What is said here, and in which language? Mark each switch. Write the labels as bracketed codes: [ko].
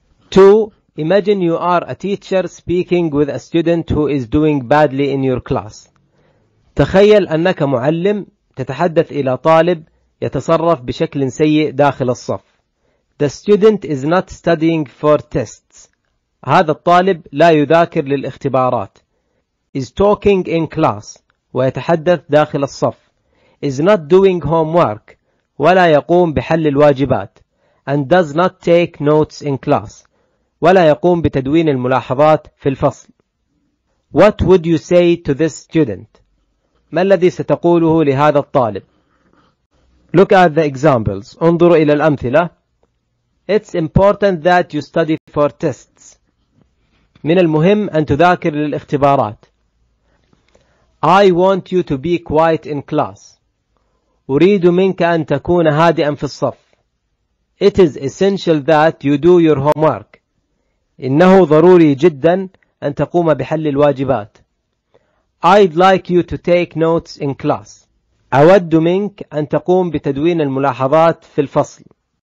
[en] Two, imagine you are a teacher speaking with a student who is doing badly in your class. [ar] تخيل أنك معلم تتحدث إلى طالب يتصرف بشكل سيء داخل الصف. [en] The student is not studying for tests. [ar] هذا الطالب لا يذاكر للاختبارات. [en] Is talking in class. [ar] ويتحدث داخل الصف. [en] Is not doing homework. [ar] ولا يقوم بحل الواجبات. [en] And does not take notes in class. [ar] ولا يقوم بتدوين الملاحظات في الفصل. [en] What would you say to this student? [ar] ما الذي ستقوله لهذا الطالب؟ [en] Look at the examples. [ar] انظر إلى الأمثلة. [en] It's important that you study for tests. [ar] من المهم أن تذاكر للاختبارات. [en] I want you to be quiet in class. [ar] أريد منك أن تكون هادئا في الصف. [en] It is essential that you do your homework. [ar] إنه ضروري جدا أن تقوم بحل الواجبات. [en] I'd like you to take notes in class. [ar] أود منك أن تقوم بتدوين الملاحظات في الفصل.